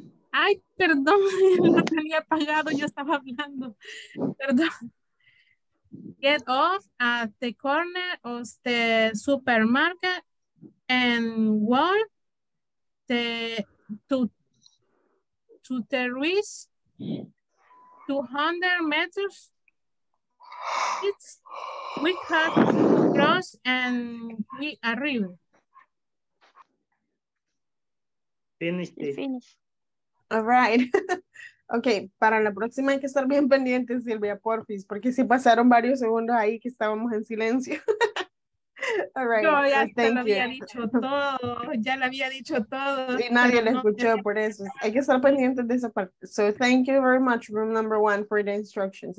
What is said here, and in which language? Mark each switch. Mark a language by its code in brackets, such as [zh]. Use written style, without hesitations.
[es] Ay, perdón, no tenía apagado, yo estaba hablando. Perdón. [en] Get off at the corner of the supermarket and walk the to the Ruiz 200 meters. We cut across and we arrive. Finish. All right. [es] Okay, para la próxima hay que estar bien pendiente, Silvia, porfis, porque si pasaron varios segundos ahí que estábamos en silencio. [en] All right. [es] Yo ya te lo había dicho todo, ya lo había dicho todo. Y nadie lo escuchó, por eso. Hay que estar pendiente de esa parte. [en] So thank you very much, room number one, for the instructions.